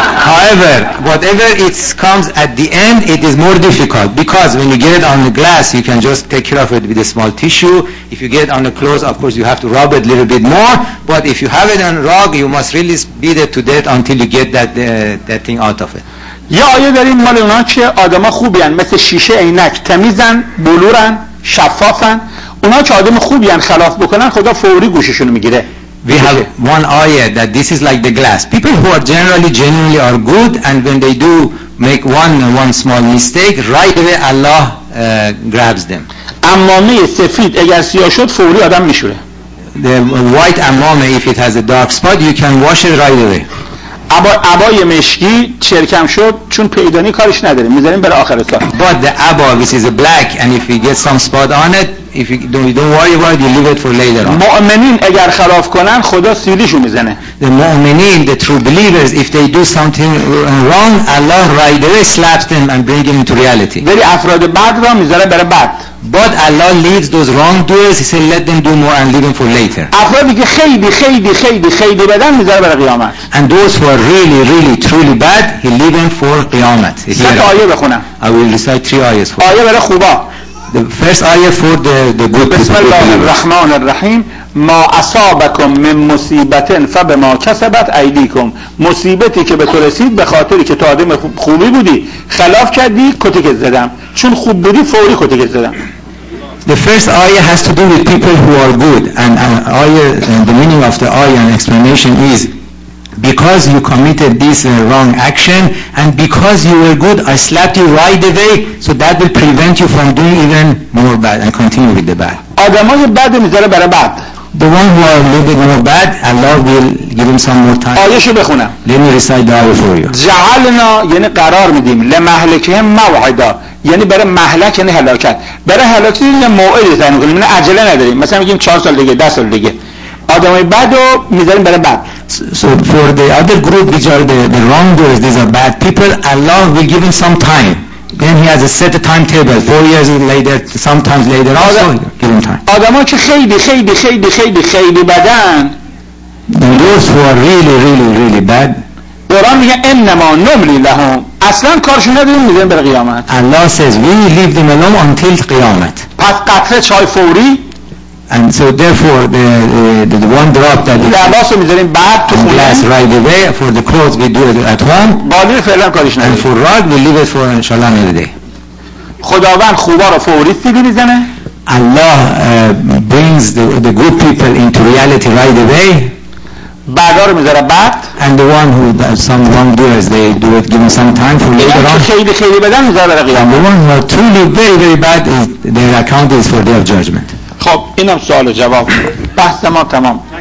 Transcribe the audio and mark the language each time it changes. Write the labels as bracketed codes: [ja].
[en] However, whatever it comes at the end, it is more difficult, because when you get it on the glass, you can just take care of it with a small tissue. If you get it on the clothes, of course, you have to rub it a little bit more. But if you have it on rug, you must really beat it to death until you get that thing out of it. [fa] یه آیه داریم مال اونا که آدم ها خوبی هن، مثل شیشه عینک، تمیزن، بلورن، شفافن. اونا که آدم خوبی هن خلاف بکنن، خدا فوری گوششونو میگیره. [en] We have one ayah that this is like the glass. People who are generally are good, and when they do make one small mistake, right away Allah grabs them. [fa] عمامه سفید اگر سیاه شد فوری آدم میشوره. [en] The white عمامه, if it has a dark spot, you can wash it right away. [fa] عبای مشکی چرکم شد, چون پیدانی کارش نداره, میذاریم برای آخر سال. [en] But the abba, this is a black, and if you get some spot on it, if you don't worry about it, you leave it for later on. [fa] مؤمنین اگر خلاف کنن خدا سیلیشو میزنه. [en] The مؤمنین, the true believers, if they do something wrong, Allah right away slaps them and brings them into reality. [fa] ولی افراد بد را میذاره برای بعد. [en] But Allah leaves those wrongdoers, he said, let them do more and leave them for later. [fa] افرادی که خیلی خیلی خیلی خیلی بدن میذاره برای قیامت. [en] And those who are really really truly bad, he leave them for قیامت. [fa] صد آیه بخونم. [en] I will recite three ayahs [fa] for. آیه برای خوبا. [en] The first ayah for the good people. [ar] بسم الله الرحمن الرحیم. ما اصابکم من مصیبت فبما کسبت ایدیکم. [fa] مصیبتی که به تو رسید به خاطری که تو آدم خوبی بودی, خلاف کردی, کتکت زدم. چون خوب بودی فوری کتکت زدم. [en] The first ayah has to do with people who are good, and the meaning of the ayah and explanation is because you committed this wrong action and because you were good, I slapped you right away, so that will prevent you from doing even more bad and continue with the bad. [fa] آدمای بد میذاره برای بعد. [en] The one who are a little bit more bad, Allah will give him some more time. [fa] آیه شو بخونم. [en] Let me recite the ayah for you. [fa] جعلنا, یعنی قرار میدیم, لمهلکهم موعدا, یعنی برای مهلک, یعنی هلاکت, برای هلاکت یعنی موعد تعیین کنیم, یعنی عجله نداریم, مثلا میگیم 4 سال دیگه, 10 سال دیگه. آدمای بدو میذاریم برای بعد. [en] So for the other group, which are the wrongdoers, these are bad people, Allah will give him some time. Then he has a set timetable, 4 years later, sometimes later, also give him time. [fa] آدم ها که خیلی خیلی خیلی خیلی خیلی بدن, [en] those who are really really really bad, [fa] قرآن میگه [ar] انما نملی لهم, [fa] اصلا کارشون ندیم میدیم برای قیامت. [en] Allah says we leave them alone until قیامت. [fa] پس قطره چای فوری, [en] and so therefore the one drop that we also [fa] میذاریم بعد تو خونه, [en] last right away for the clothes we do it at home, [fa] بعدی فعلا کارش نداره, [en] and for rug we leave it for inshallah another day. [fa] خداوند خوبا رو فوری سیلی میزنه. [en] Allah brings the good people into reality right away. [fa] بعدا رو میذاره بعد, [en] and the one who some wrongdoers they do it give some time for later on. [fa] خیلی خیلی بدن میذاره برای قیامت. [en] The one who are truly very very bad, their account is for their judgment. [fa] خب اینم سوال و جواب, بحث ما تمام.